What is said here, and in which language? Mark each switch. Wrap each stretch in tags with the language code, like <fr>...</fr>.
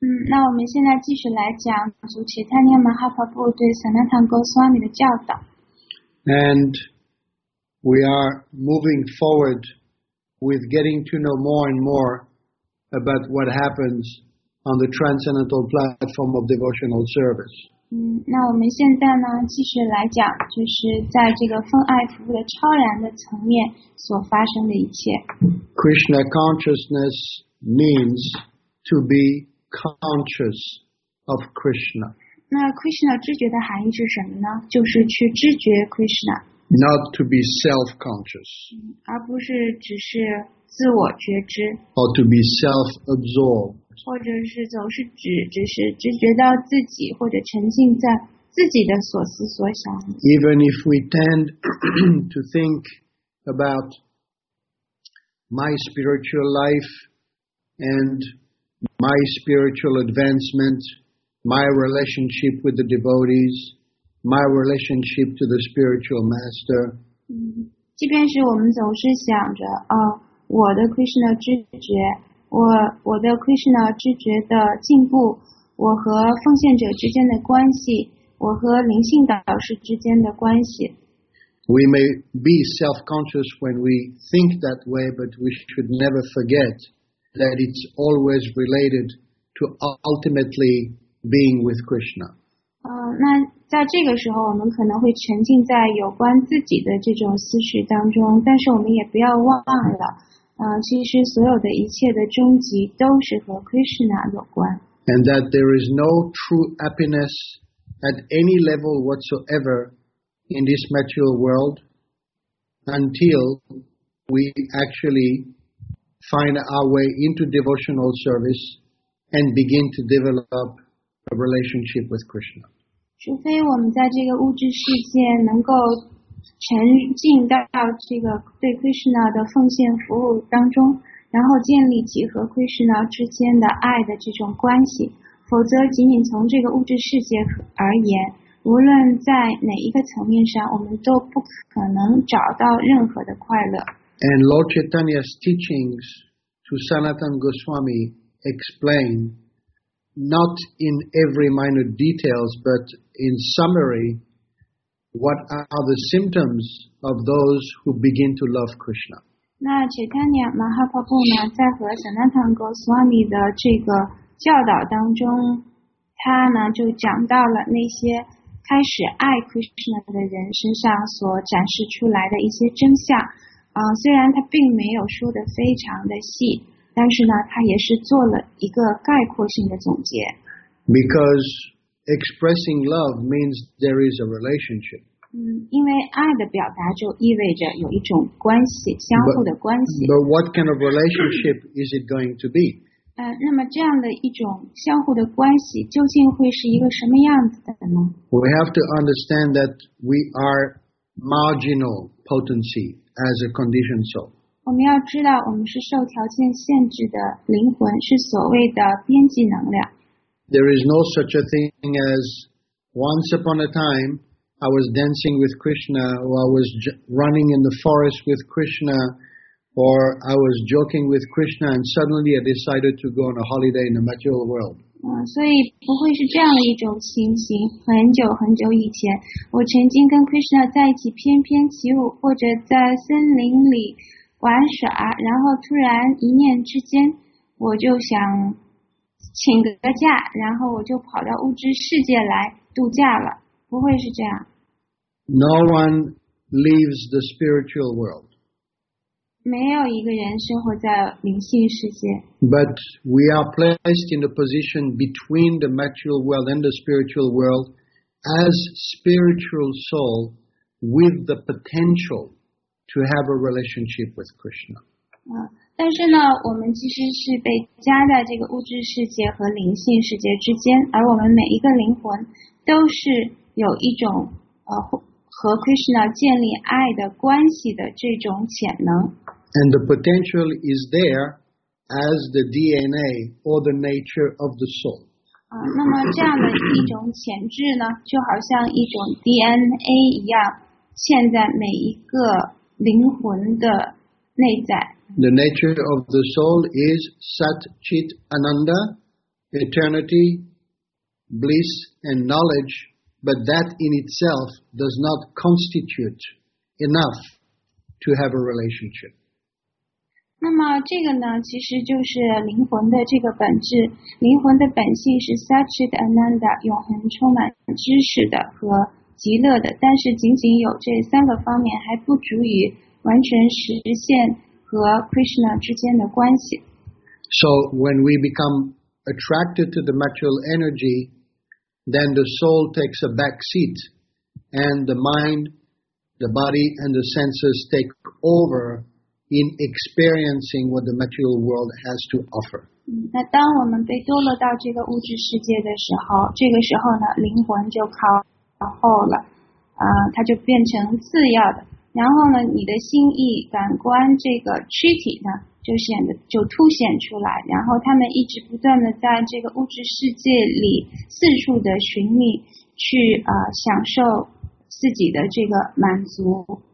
<zh>那我们现在继续来讲主持坦尼亚马哈帕布对 Sanatana Goswami 的教导。</zh> <en>And we are moving forward with getting to know more and more about what happens on the transcendental platform of devotional service.</en> <zh>那我们现在呢，继续来讲，就是在这个奉爱服务的超然的层面所发生的一切。</zh> <en>Krishna consciousness means to be conscious of Krishna.</en> <zh>那 Krishna 知觉的含义是什么呢？就是去知觉 Krishna。</zh> <en>Not to be self-conscious.</en> <zh>而不是只是自我觉知。</zh> <en>Or to be self-absorbed.</en> <zh>或者是总是只是知觉到自己，或者沉浸在自己的所思所想。</zh> <en>Even if we tend to think about my spiritual life and my spiritual advancement, my relationship with the devotees, my relationship to the spiritual master.</en> <zh>即便是我们总是想着，我的 Krishna 知觉，我的 Krishna 知觉的进步，我和奉献者之间的关系，我和灵性导师之间的关系。</zh> <en>We may be self-conscious when we think that way, but we should never forget that it's always related to ultimately being with Krishna.</en> <zh>那在这个时候，我们可能会沉浸在有关自己的这种思绪当中，但是我们也不要忘了，其实所有的一切的终极都是和 Krishna 有关。</zh> <en>And that there is no true happiness at any level whatsoever in this material world until we actually find our way into devotional service and begin to develop a relationship with Krishna.</en> <zh>除非我们在这个物质世界能够沉浸到这个对 Krishna 的奉献服务当中，然后建立起和 Krishna 之间的爱的这种关系，否则仅仅从这个物质世界而言，无论在哪一个层面上，我们都不可能找到任何的快乐。</zh> <en>And Lord Chaitanya's teachings to Sanatana Goswami explain, not in every minute details, but in summary, what are the symptoms of those who begin to love Krishna.</en> <zh>那 Chaitanya Mahaprabhu 呢，在和 Sanatana Goswami 的这个教导当中，他呢就讲到了那些开始爱 Krishna 的人身上所展示出来的一些真相。虽然他并没有说的非常的细，但是呢，他也是做了一个概括性的总结。</zh> <en>Because expressing love means there is a relationship.</en> <zh>因为爱的表达就意味着有一种关系，相互的关系。</zh> <en>But what kind of relationship is it going to be?</en> <zh>那么这样的一种相互的关系究竟会是一个什么样子的呢？</zh> <en>We have to understand that we are marginal potency as a conditioned soul.</en> <zh>我们要知道我们是受条件限制的灵魂，是所谓的边际能量。</zh> <en>There is no such a thing as once upon a time I was dancing with Krishna, or I was running in the forest with Krishna, or I was joking with Krishna, and suddenly I decided to go on a holiday in the material world.</en> <zh>所以不会是这样的一种情形。很久很久以前，我曾经跟 Krishna 在一起翩翩起舞，或者在森林里玩耍，然后突然一念之间，我就想请个假，然后我就跑到物质世界来度假了。不会是这样。</zh> <en>No one leaves the spiritual world.</en> <zh>没有一个人生活在灵性世界。</zh> <en>But we are placed in a position between the material world and the spiritual world as spiritual soul with the potential to have a relationship with Krishna.</en> <zh>但是呢，我们其实是被夹在这个物质世界和灵性世界之间，而我们每一个灵魂都是有一种和 Krishna 建立爱的关系的这种潜能。</zh> <en>And the potential is there as the DNA or the nature of the soul.</en> <zh>那么这样的一种潜质呢，就好像一种 DNA 一样，嵌在每一个灵魂的内在。</zh> <en>The nature of the soul is Sat Chit Ananda, eternity, bliss, and knowledge, but that in itself does not constitute enough to have a relationship.</en> <zh>那么这个呢，其实就是灵魂的这个本质。灵魂的本性是 Sat Chit Ananda, 永恒充满知识的和极乐的，但是仅仅有这三个方面还不足以完全实现和 Krishna 之间的关系。</zh> <en>So when we become attracted to the material energy, then the soul takes a back seat, and the mind, the body, and the senses take over in experiencing what the material world has to offer.</en> <zh>那当我们被堕落到这个物质世界的时候，这个时候呢，灵魂就靠后了，它就变成次要的。然后呢，你的心意感官这个躯体呢，就凸显出来。然后他们一直不断的在这个物质世界里四处的寻觅，去享受自己的这个满足。</zh>